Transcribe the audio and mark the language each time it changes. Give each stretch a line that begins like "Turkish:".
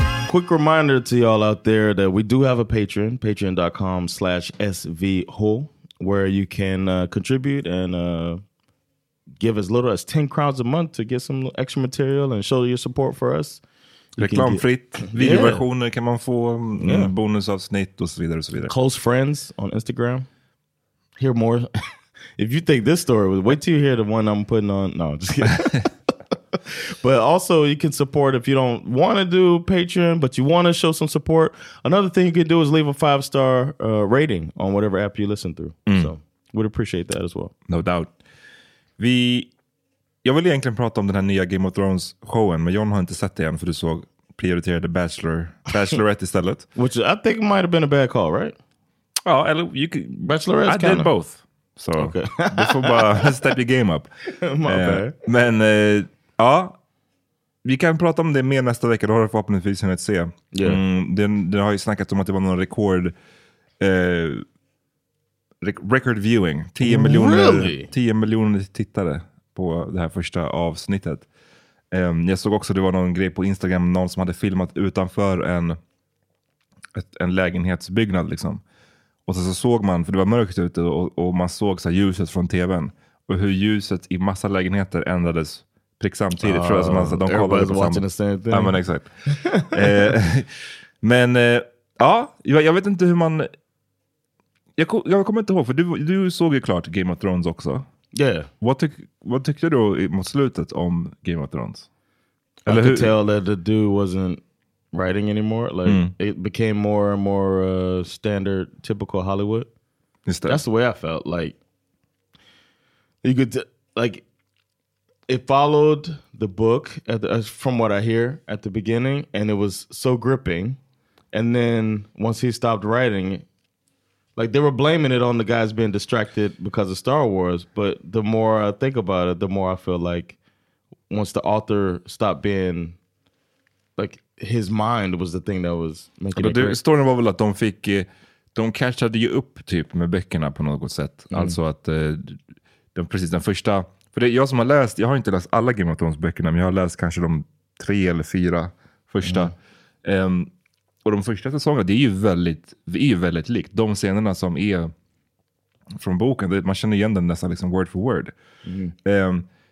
English: Quick reminder to y'all out there that we do have a Patreon, patreon.com/svhole, where you can contribute and give as little as 10 crowns a month to get some extra material and show your support for us.
Swedish: Reklamfritt, videoversioner kan man få, bonusavsnitt och så vidare och så vidare.
English: Close friends on Instagram. Hear more. If you think this story, wait till you hear the one I'm putting on. No, just kidding. But also, you can support if you don't want to do Patreon, but you want to show some support. Another thing you can do is leave a 5-star rating on whatever app you listen through. Mm. So, we'd appreciate that as well. No doubt.
Swedish: Jag vill egentligen prata om den här nya Game of Thrones-showen, men John har inte sett det än, för du såg prioriterade Bachelorette istället.
English: Which I think might have been a bad call, right? Oh, well, you could, Bachelorette's kind of. I did both. So, okay.
Swedish: Du får bara
English: step your game up. My bad.
Swedish: Men... ja, vi kan prata om det mer nästa vecka. Då har du förhoppningsvis hunnit se.
English: Yeah. Mm,
Swedish: den har ju snackat om att det var någon rekord...
English: record viewing.
Swedish: 10 miljoner,
English: really?
Swedish: 10 miljoner tittare på det här första avsnittet. Jag såg också att det var någon grej på Instagram. Någon som hade filmat utanför en lägenhetsbyggnad. Liksom. Och så såg man, för det var mörkt ute, och man såg så här ljuset från tvn. Och hur ljuset i massa lägenheter ändrades... prick samtidigt, tror jag, som alltså, de kollade på
English: watching the same thing.
Swedish: Ja, men exakt. men ja, jag vet inte hur man... Jag kommer inte ihåg, för du såg ju klart Game of Thrones också.
English: Yeah.
Swedish: Vad tyckte du mot slutet om Game of Thrones?
English: Eller I could tell that the dude wasn't writing anymore. Like, it became more and more standard, typical Hollywood. Just det. That's the way I felt. Like, you could... It followed the book from what I hear at the beginning, and it was so gripping. And then once he stopped writing, Like, they were blaming it on the guys being distracted because of Star Wars. But the more I think about it, the more I feel like once the author stopped being, like, his mind was the thing that was making it great.
Swedish: Storyn var väl att de fick, de catchade ju upp typ med böckerna på något sätt. Mm. Alltså att, de, precis den första, för det jag som har läst, jag har inte läst alla Game of Thrones böckerna, men jag har läst kanske de tre eller fyra första. Mm. Och de första säsongerna, det är ju väldigt, likt. De scenerna som är från boken, man känner igen den nästan liksom
English: word for word.
Swedish: Mm.